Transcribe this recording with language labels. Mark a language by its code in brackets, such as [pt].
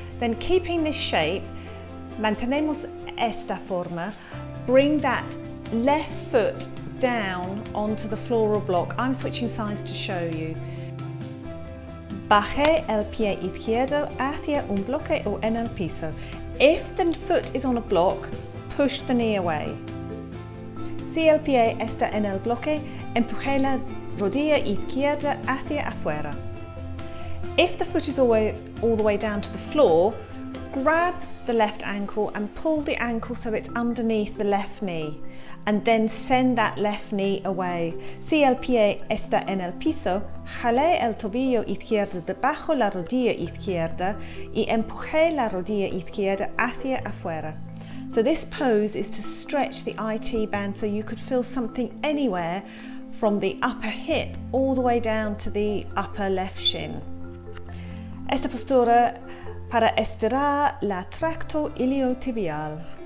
[en] Then keeping this shape, [es] mantenemos esta forma, [en] bring that left foot down onto the floral block. I'm switching sides to show you. [es] Baje el pie izquierdo hacia un bloque o en el piso. [en] If the foot is on a block, push the knee away. [es] Si el pie está en el bloque, empuje la rodilla izquierda hacia afuera. [en] If the foot is all the way down to the floor, grab the left ankle and pull the ankle so it's underneath the left knee, and then send that left knee away. [es] Si el pie está en el piso, jale el tobillo izquierdo debajo la rodilla izquierda y empuje la rodilla izquierda hacia afuera. [en] So this pose is to stretch the IT band so you could feel something anywhere from the upper hip all the way down to the upper left shin. [es] Esta postura para estirar la tracto iliotibial.